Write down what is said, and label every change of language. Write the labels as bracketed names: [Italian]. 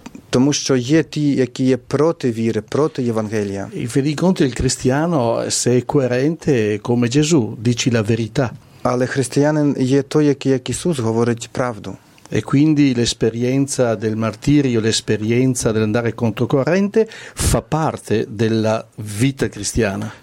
[Ukrainian] Тому що є ті, які є проти віри, проти Євангелія. [Italian] In fin dei conti, il cristiano, se è coerente, come Gesù, dici la verità. [Ukrainian] Але християнин є той, який, як Ісус, говорить правду. [Italian] E quindi l'esperienza del martirio, l'esperienza dell'andare controcorrente, fa parte della vita cristiana.